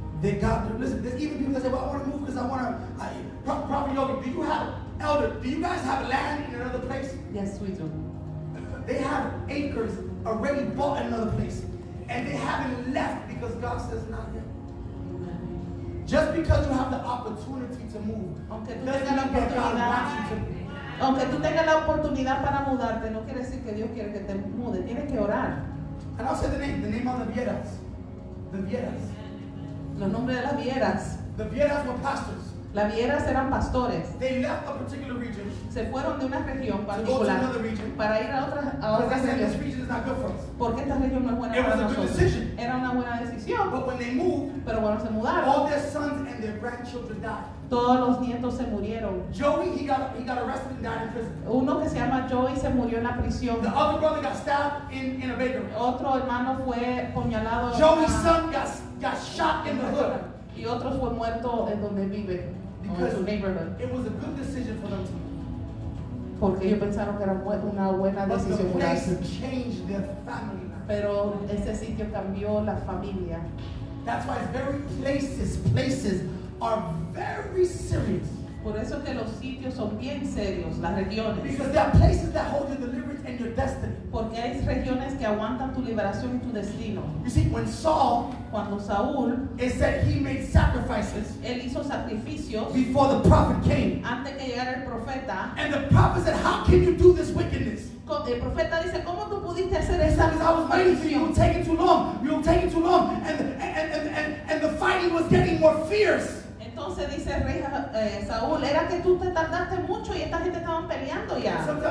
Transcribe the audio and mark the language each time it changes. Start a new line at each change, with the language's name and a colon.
English: Did God, listen, there's even people that say, well, I want to move because I want to, Prophet Yogi, do you have, elder, do you guys have land in another place? Yes, we do. They have acres already bought in another place, and they haven't left because God says not yet. Just because you have the opportunity to move, doesn't mean that God wants you to move.
Spanish: Aunque tú tengas la oportunidad para mudarte, no quiere decir que Dios quiere que te mude. Tienes que orar.
English: And I'll say the name of the Vieras. The Vieras.
Spanish: Los nombres de las Vieras.
English: The Vieras were pastors.
Spanish: Las Vieras eran pastores.
English: They left a particular region.
Spanish: Se fueron de una región particular.
English: To go to another region.
Spanish: Para ir a otra región.
English: Because they said this region is not good for us.
Spanish: Porque esta región no es buena para nosotros.
English: It was a good decision.
Spanish: Era una buena decisión.
English: But when they moved.
Spanish: Pero cuando se mudaron.
English: All their sons and their grandchildren died.
Spanish: Todos los nietos se murieron.
English: Joey, he got arrested and died in prison.
Spanish: Uno que se llama Joey se murió en la prisión.
English: The other brother got stabbed in a bakery.
Spanish: Otro hermano fue apuñalado.
English: Joey's son got shot in the hood.
Spanish: Y otro fue muerto en donde vive.
English: It was a good decision for them to move.
Spanish: Porque ellos pensaron que era una buena decisión.
English: But the place changed their family life.
Spanish: Pero ese sitio cambió la familia.
English: That's why it's very places are very serious.
Spanish: Por eso que los sitios son bien serios, las regiones.
English: Because there are places that hold your deliverance and your destiny.
Spanish: Porque hay regiones que aguantan tu liberación y tu destino.
English: You see, when Saul,
Spanish: cuando Saúl,
English: is that he made sacrifices,
Spanish: él hizo sacrificios,
English: before the prophet came,
Spanish: antes que llegara el profeta,
English: and the prophet said, how can you do this wickedness?
Spanish: El profeta dice, ¿cómo tú pudiste hacer esa maldición?
English: You're taking too long, you're taking too long, and the fighting was getting more fierce.
Spanish: Entonces dice rey Saúl, era que tú te tardaste mucho y esta gente estaban peleando ya.